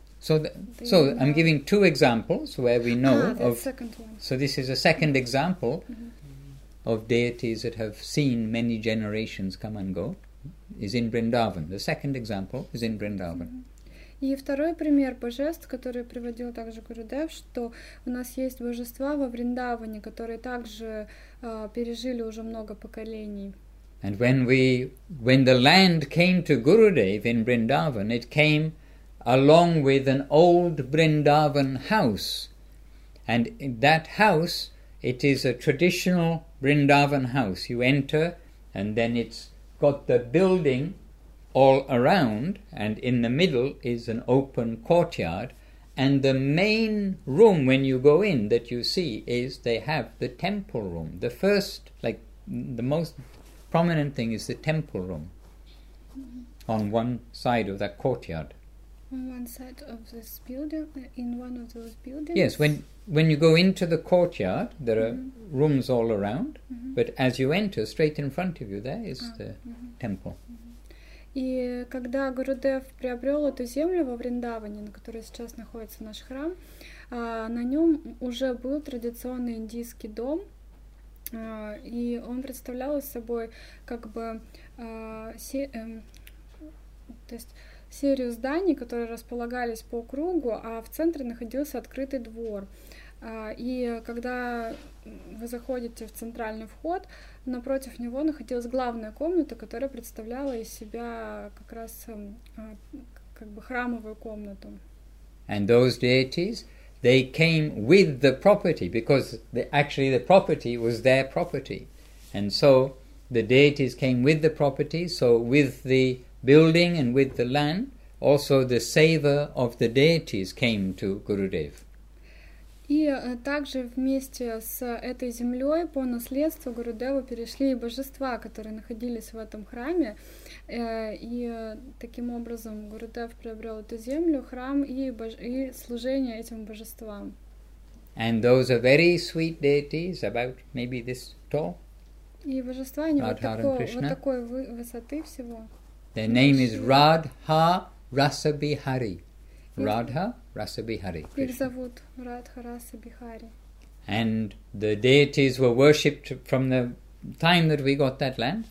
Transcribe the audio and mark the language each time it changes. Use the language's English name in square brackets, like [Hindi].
[English] I'm giving two examples where we know of... the second one. So this is a second example of deities that have seen many generations come and go, is in Vrindavan. The second example is in Vrindavan. Mm-hmm. [Russian] И второй пример божеств, который приводил также Гурудев, что у нас есть божества во Вриндаване, которые также пережили уже много поколений. [English] And when the land came to Gurudev in Vrindavan, it came along with an old Vrindavan house. And in that house, it is a traditional Vrindavan house. You enter and then it's got the building all around, and in the middle is an open courtyard, and the main room when you go in that you see is they have the temple room. The first, like, the most prominent thing is the temple room on one side of that courtyard. On one side of this building, in one of those buildings? Yes, when you go into the courtyard, there are rooms all around, but as you enter, straight in front of you, there is the temple. [Russian] И когда Гурудев приобрел эту землю во Вриндаване, на которой сейчас находится наш храм, на нем уже был традиционный индийский дом, и он представлял собой как бы то есть серию зданий, которые располагались по кругу, а в центре находился открытый двор. И когда вы заходите в центральный вход, напротив него находилась главная комната, которая представляла из себя как раз как бы храмовую комнату. [English] And those deities, they came with the property, because actually the property was their property. And so the deities came with the property, so with the building and with the land, also the savor of the deities came to Gurudev. [Russian] И также вместе с этой землей по наследству Гурудеву перешли и божества, которые находились в этом храме. И таким образом Гурудев приобрел эту землю, храм и служение этим божествам. [English] And those are very sweet deities, about maybe this tall. [Russian] И божества они вот такой высоты всего. [English] Their name is Radha Rasa Bihari. Radha Rasa Bihari. [Russian] Их зовут Радха Раса Бихари. [English] And the deities were worshipped from the time that we got that land.